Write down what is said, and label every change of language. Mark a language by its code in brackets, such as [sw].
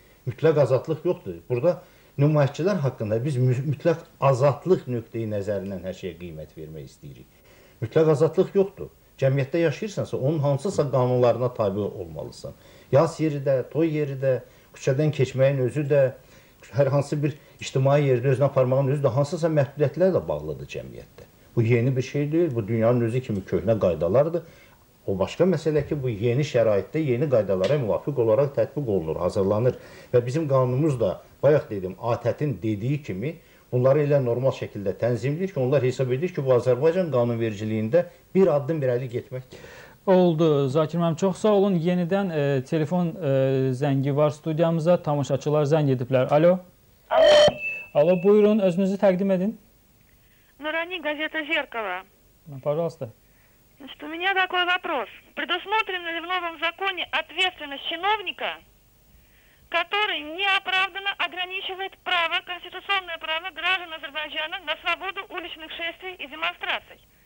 [az] Mütləq azadlıq yoxdur. Burada nümayətçilər haqqında biz mütləq azadlıq nöqtəyi nəzərindən hər şeyə qiymət vermək istəyirik. Mütləq azadlıq yoxdur. Cəmiyyətdə yaşayırsansa, onun hansısa qanunlarına tabi olmalısın. Yas yeri də, toy yeri də, küçədən keçməyin özü də, hər hansı bir İctimai yerdə özünə aparmağın özü də hansısa məhdudiyyətlərlə bağlıdır cəmiyyətdə. Bu yeni bir şey deyil, bu dünyanın özü kimi köhnə qaydalardır. O başqa məsələ ki, bu yeni şəraitdə yeni qaydalara müvafiq olaraq tətbiq olunur, hazırlanır. Və bizim qanunumuz da, bayaq dedim, ATƏT-in dediyi kimi bunları elə normal şəkildə tənzimləyir ki, onlar hesab edir ki, bu Azərbaycan qanunvericiliyində bir addım bir əli getməkdir. Oldu, Zakir müəllim, çox sağ olun. Yenidən telefon zəngi var studiyamıza, tamaşaçılar zəng ediblər. Alo. Алло, buyurun, özünüzü təqdim edin. [ru] Нурани, газета «Зеркало». Пожалуйста. Значит, у меня такой вопрос. Предусмотрена ли в новом законе ответственность чиновника, который неоправданно ограничивает право, конституционное право граждан Азербайджана на свободу уличных шествий и демонстраций?